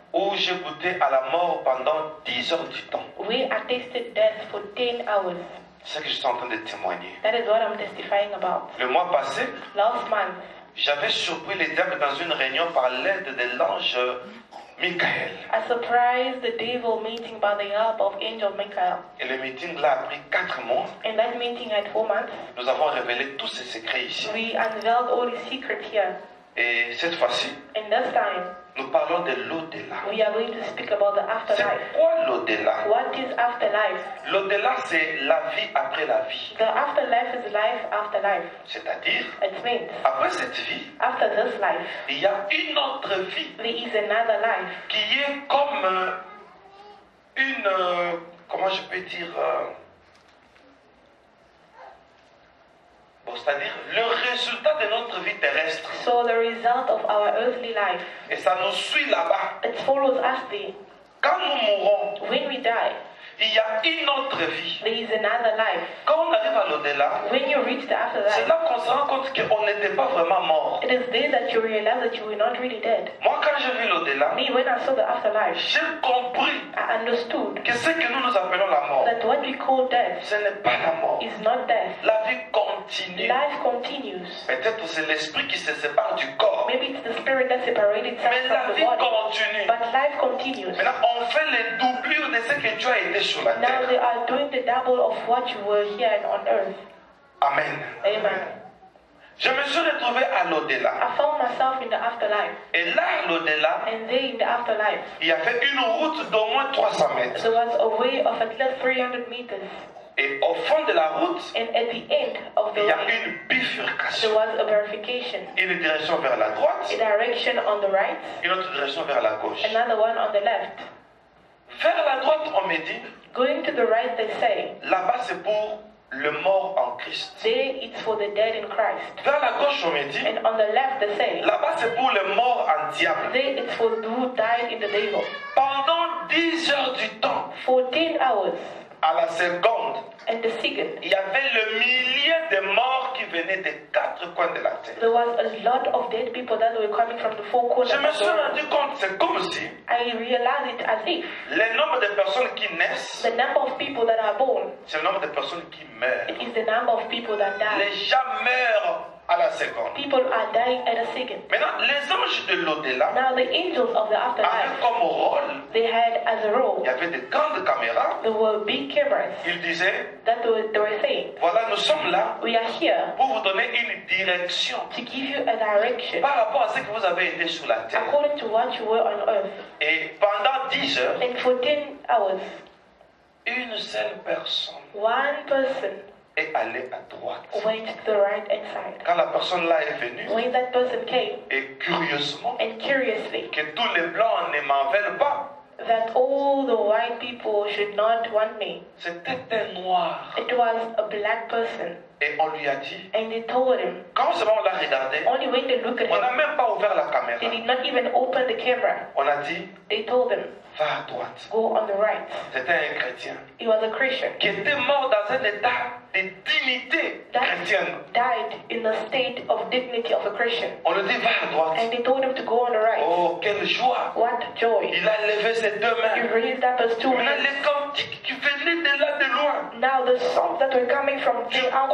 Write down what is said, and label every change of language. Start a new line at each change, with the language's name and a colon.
French: Où j'ai goûté à la mort pendant 10 heures du temps.
English: We tasted death for 10 hours.
French: C'est ce que je suis en train de témoigner.
English: That is what I'm testifying about.
French: Le mois passé.
English: Last month.
French: J'avais surpris les diables dans une réunion par l'aide de l'ange Michael.
English: I surprised the devil meeting by the help of angel Michael.
French: Et le meeting là a pris 4 mois.
English: And that meeting had 4 months.
French: Nous avons révélé tous ces secrets ici.
English: We unveiled all the secrets here.
French: Et cette fois-ci.
English: And this time.
French: Nous parlons de l'au-delà.
English: We are going to speak about the afterlife.
French: C'est quoi l'au-delà?
English: What is afterlife?
French: L'au-delà, c'est la vie après la vie.
English: The afterlife is life after life.
French: C'est-à-dire?
English: It means.
French: Après cette vie.
English: After this life.
French: Il y a une autre vie.
English: There is another life.
French: Qui est comme une, comment je peux dire? C'est-à-dire le résultat de notre vie terrestre.
English: So the result of our earthly life.
French: Et ça nous suit là-bas.
English: It follows us there.
French: Quand nous mourons.
English: When we die.
French: Il y a une autre vie.
English: There is another life.
French: Quand on arrive à l'au-delà.
English: When you reach the afterlife.
French: C'est là qu'on se rend compte qu'on n'était pas vraiment mort.
English: It is there that you realize that you were not really dead.
French: Moi, quand j'ai vu l'au-delà.
English: Me, when I saw the afterlife.
French: J'ai compris.
English: I understood.
French: Que ce que nous appelons la mort.
English: That what we call death.
French: Ce n'est pas la mort.
English: Is not death.
French: La vie continue.
English: Life continues.
French: Peut-être c'est l'esprit qui se sépare du corps.
English: Maybe it's the spirit that separated itself from the body.
French: Mais la vie continue.
English: But life continues.
French: Maintenant, on fait les doublures de ce que tu as été.
English: Now they are doing the double of what you were here and on earth. Amen. Amen.
French: Je me suis retrouvé à l'au-delà.
English: I found myself in the afterlife.
French: Et là, l'au-delà.
English: And there in the afterlife.
French: Il y avait une route d'au moins 300 mètres.
English: There was a way of at least 300 meters.
French: Et au fond de la route.
English: And at the end of the
French: il y a
English: way,
French: une bifurcation.
English: There was a bifurcation.
French: Une direction vers la droite.
English: A direction on the right.
French: Une autre direction vers la gauche.
English: Another one on the left.
French: Vers la droite, on me dit.
English: Going to the right, they say.
French: Là-bas, c'est pour le mort en Christ.
English: There, it's for the dead in Christ.
French: Vers la gauche, on me dit.
English: And on the left, they say.
French: Là-bas, c'est pour le mort en diable.
English: There, it's for who died in the devil.
French: Pendant 10 heures du temps.
English: 14 hours.
French: À la seconde.
English: At the second.
French: Il y avait le millier de morts qui venaient des quatre coins de la terre.
English: There was a lot of dead people that were coming from the four corners.
French: Je me suis rendu compte, c'est comme si.
English: I realized it as if.
French: Le nombre de personnes qui naissent.
English: The number of people that are born.
French: C'est le nombre de personnes qui meurent.
English: It is the number of people that die.
French: Les gens meurent à la seconde.
English: People are dying at a second.
French: Maintenant, les anges de l'au-delà.
English: Now the angels of the afterlife.
French: Avaient comme rôle.
English: They had as a role.
French: Il y avait des grandes caméras.
English: There were big cameras.
French: Ils disaient.
English: That they were saying.
French: Voilà, nous sommes là.
English: We are here.
French: Pour vous donner une direction.
English: To give you a direction.
French: Par rapport à ce que vous avez été sur la terre.
English: According to what you were on earth.
French: Et pendant 10 heures.
English: And for 10 hours.
French: Une seule personne.
English: One person.
French: Et aller à droite.
English: Went to the right hand side.
French: Quand la personne là est venue.
English: When that person came.
French: Et curieusement.
English: And curiously.
French: Que tous les blancs ne m'en veulent pas.
English: That all the white people should not want me.
French: C'était un noir.
English: It was a black person.
French: Et on lui a dit.
English: And they told him.
French: Quand seulement on l'a regardé.
English: Only when they looked at
French: on On n'a même pas ouvert la caméra.
English: They did not even open the camera.
French: On a dit.
English: They told him.
French: Va à droite.
English: Go on the right.
French: C'était un chrétien.
English: He was a Christian.
French: Qui était mort dans un état de dignité chrétienne.
English: Died in a state of dignity of a Christian.
French: On lui dit va à droite.
English: And they told him to go on the right.
French: Oh, quelle joie.
English: What joy.
French: Il a levé ses deux mains.
English: He raised up his two hands.
French: Il a les cantiques qui venaient de là de loin.
English: Now the songs that were coming from throughout.